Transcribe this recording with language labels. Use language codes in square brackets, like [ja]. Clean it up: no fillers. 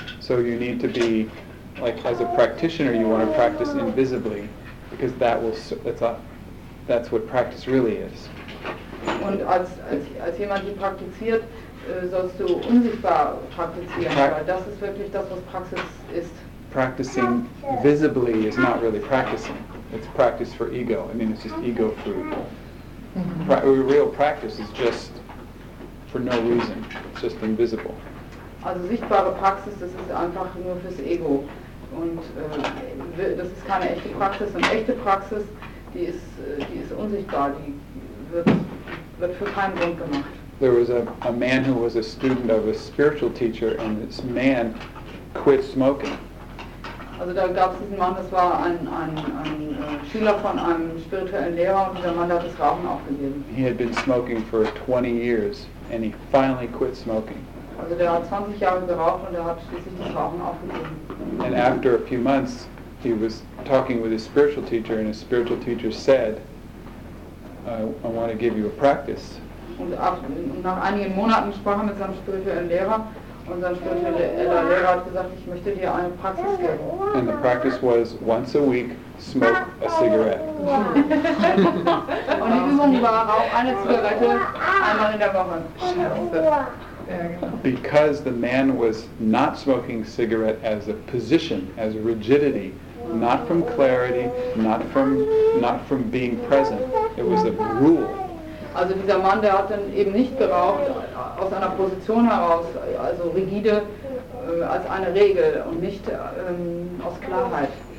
[en] So you need to be, like, as a practitioner, you want to practice invisibly, because that's what practice really is. [de] Und als jemand, der praktiziert, sollst du unsichtbar praktizieren, weil das ist wirklich das, was Praxis ist. [en] Practicing visibly is not really practicing. It's practice for ego. I mean, it's just ego food. Real practice is just for no reason. It's just invisible. [de] Also sichtbare Praxis, das ist einfach nur fürs Ego. Und das ist keine echte Praxis. Und echte Praxis, die ist unsichtbar. Die wird für keinen Grund gemacht. [en] There was a man who was a student of a spiritual teacher, and this man quit smoking. [de] Also da gab es diesen Mann, das war ein Schüler von einem spirituellen Lehrer, und dieser Mann hat das Rauchen aufgegeben. [en] He had been smoking for 20 years, and he finally quit smoking. [de] Also Also der hat 20 Jahre geraucht und er hat schließlich das Rauchen aufgegeben. [en] And after a few months, he was talking with his spiritual teacher, and his spiritual teacher said, I want to give you a practice. [de] Und nach einigen Monaten sprach er mit seinem spirituellen Lehrer, und sein spiritueller Lehrer hat gesagt, ich möchte dir eine Praxis geben. [en] And the practice was, once a week, smoke a cigarette. [de] Und die Übung war, rauch eine Zigarette einmal in der Woche. Scheiße. [en] Because the man was not smoking cigarette as a position, as a rigidity, not from clarity, not from being present. It was a rule. [de] Also dieser Mann, der hat dann eben nicht geraucht aus einer Position heraus, also rigide als eine Regel und nicht aus Klarheit.